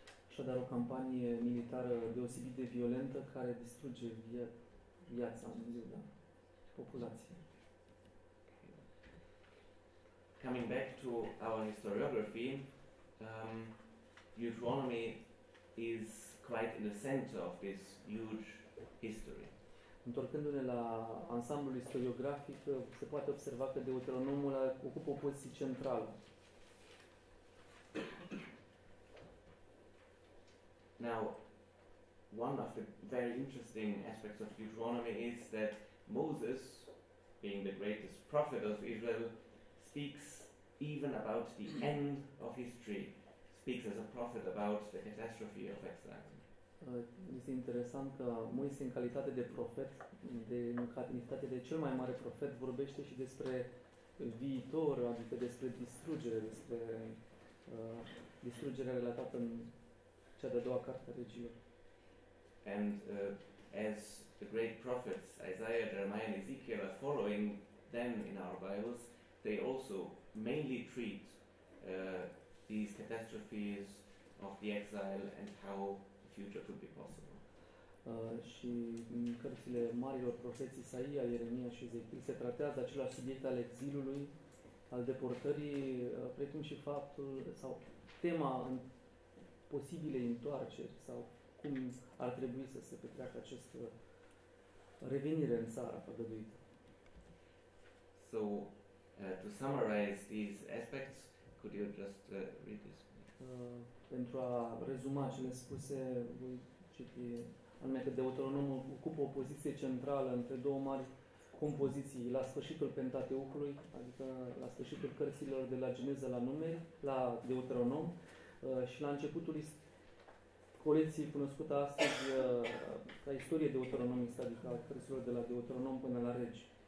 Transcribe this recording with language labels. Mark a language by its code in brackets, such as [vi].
[ro] Așadar, o campanie militară deosebit de violentă care distruge viața în Judah, populația. [en] Coming back to our historiography, Deuteronomy is quite in the center of this huge history. [ro] Întorcându-ne la ansamblul istoriografic, se poate observa că Deuteronomul ocupă o poziție centrală. [en] Now, one of the very interesting aspects of Deuteronomy is that Moses, being the greatest prophet of Israel, speaks even about the end of history, speaks as a prophet about the catastrophe of exile. [ro] Este interesant că Moise, în calitate de profet, în calitate de cel mai mare profet, vorbește și despre viitor, adică despre distrugere, despre distrugerea relatată în cea de-a doua carte a regilor. [en] And as the great prophets Isaiah, Jeremiah, and Ezekiel are following them in our Bibles, they also mainly treat these catastrophes of the exile and how future could be possible. [ro] și în cărțile marilor profeți Isaia, Ieremia și Ezechiel se tratează același subiect al exilului, al deportării, precum și faptul sau tema în posibile întoarceri sau cum ar trebui să se petreacă această revenire în țara făgăduită. [en] So, to summarize these aspects, could you just read this? [ro] Pentru a rezuma cele spuse, voi citi anume că Deuteronomul ocupă o poziție centrală între două mari compoziții, la sfârșitul Pentateucului, adică la sfârșitul cărților de la Geneza la Numeri, la Deuteronom, și la începutul colecției cunoscută astăzi ca istorie deuteronomistă, adică a cărților de la Deuteronom până la Regi.